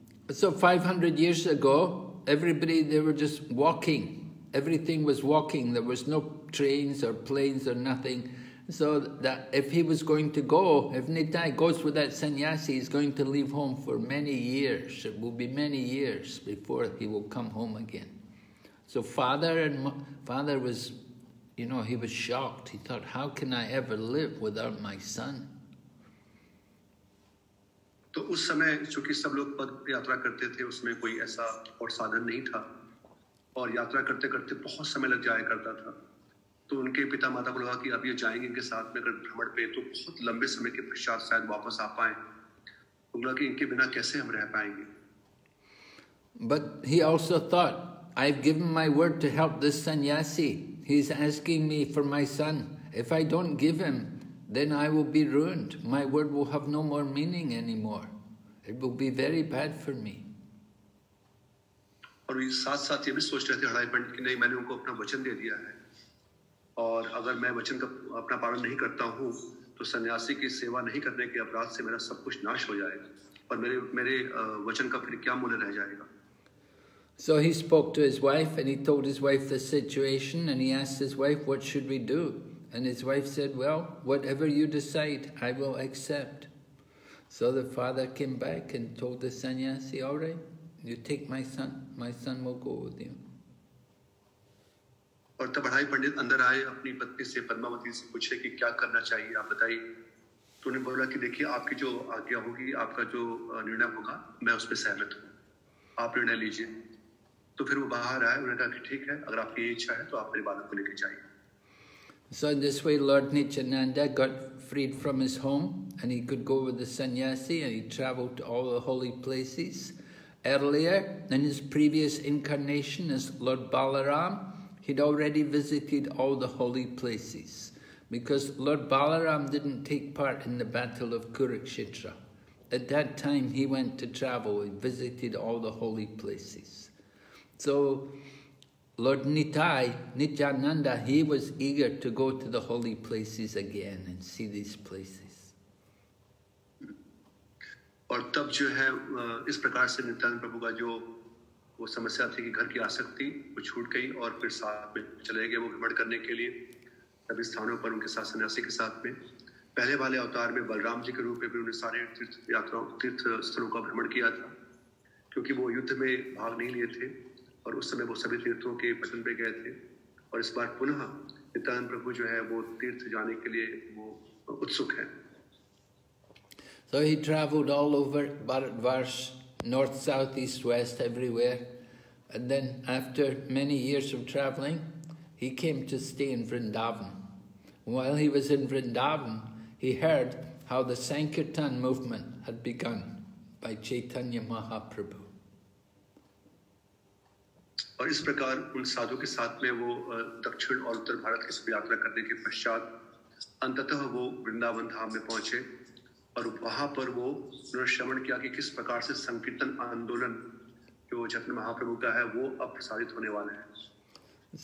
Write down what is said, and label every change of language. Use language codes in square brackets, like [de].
[en] So 500 years ago, everybody, they were just walking. Everything was walking. There was no trains or planes or nothing. So that if he was going to go, if Nitai goes with that sannyasi, he's going to leave home for many years. It will be many years before he will come home again. So father was, you know, he was shocked. He thought, how can I ever live without my son? [hi] तो उस समय चूंकि सब लोग पद यात्रा करते थे उसमें कोई ऐसा और साधन नहीं था और यात्रा करते करते बहुत समय लग जाया करता था. तो उनके पिता माता को लगा कि अब ये जाएंगे इनके साथ में अगर भ्रमण पे तो बहुत लंबे समय के पश्चात शायद वापस आ पाए. उन्होंने कि इनके बिना कैसे हम रह पाएंगे. [en] But he also thought, I've given my word to help this sannyasi. He's asking me for my son. If I don't give him, then I will be ruined. My word will have no more meaning anymore. It will be very bad for me. [hi] और ये साथ साथ ये भी सोच रहे थे हड़ाई पंड कि नहीं मैंने उनको अपना वचन दे दिया है और अगर मैं वचन का अपना पालन नहीं करता हूँ तो सन्यासी की सेवा नहीं करने के अपराध से मेरा सब कुछ नाश हो जाएगा और मेरे मेरे वचन का फिर क्या मूल्य रह जाएगा. [en] So he spoke to his wife and he told his wife the situation and he asked his wife, what should we do? And his wife said, well, whatever you decide, I will accept. So the father came back and told the sannyasi, all right, you take my son will go with you. [hi] और तब बढ़ाई पंडित अंदर आए अपनी पत्नी से पद्मावती से पूछे कि क्या करना चाहिए आप बताइए. तो उन्हें बोला कि देखिए आपकी जो आज्ञा होगी आपका जो निर्णय होगा मैं उस पे सहमत हूँ आप निर्णय लीजिए. तो फिर वो बाहर आए उन्होंने कहा कि ठीक है अगर आपकी इच्छा है तो आप मेरे बालक को लेकर जाइए. [en] So in this way, Lord Nityananda got freed from his home and he could go with the sannyasi and he traveled to all the holy places. Earlier, in his previous incarnation as Lord Balaram, he'd already visited all the holy places because Lord Balaram didn't take part in the battle of Kurukshetra. At that time, he went to travel and visited all the holy places. So Lord Nityananda, he was eager to go to the holy places again and see these places. [hi] और तब जो है इस प्रकार से नित्यानंद प्रभु का जो वो समस्या थी कि घर की आसक्ति वो छूट गई और फिर साथ में चले गए वो भ्रमण करने के लिए सभी स्थानों पर उनके साथ सन्यासी के साथ में. पहले वाले अवतार में बलराम जी के रूप में भी उन्होंने सारे तीर्थ यात्राओं तीर्थ स्थलों का भ्रमण किया था क्योंकि वो युद्ध में भाग नहीं लिए थे और उस समय वो सभी तीर्थों के पतन पे गए थे. और इस बार पुनः नित्यानंद प्रभु जो है वो तीर्थ जाने के लिए वो उत्सुक है. [en] So he traveled all over Bharatvarsh, north, south, east, west, everywhere. And then after many years of traveling, he came to stay in Vrindavan. While he was in Vrindavan, he heard how the Sankirtan movement had begun by Chaitanya Mahaprabhu. [hi] और इस प्रकार उन साधु के साथ में वो दक्षिण और उत्तर भारत की यात्रा करने के पश्चात अंततः वो वृंदावन धाम में पहुंचे और वहां पर वो उन्होंने श्रवण किया कि किस प्रकार से संकीर्तन आंदोलन जो चैतन्य महाप्रभु का है वो अब प्रसारित होने वाला है.